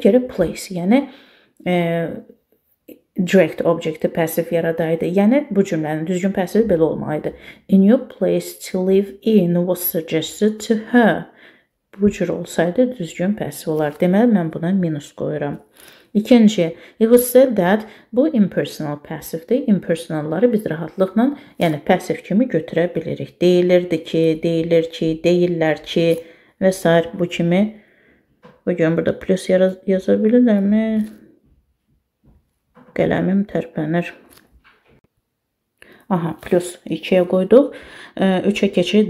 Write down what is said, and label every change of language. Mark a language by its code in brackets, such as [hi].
[az] Geri place, yəni direct objecti passive yaradaydı. Yəni, bu cümlənin düzgün passive belə olmalıydı. [en] A new place to live in was suggested to her. [az] Bu cür olsaydı, düzgün passive olar. Deməli, mən buna minus qoyuram. İkinci, [en] it was said that [az] bu impersonal passive-dir. Impersonalları biz rahatlıqla, yəni passive kimi götürə bilirik. Deyilirdi ki, deyilir ki, deyirlər ki və s. bu kimi. Bugün burada plus yaza bilirəmmi? Qələmim tərpənir. Aha, plus 2-yə qoyduq. 3-ə keçir.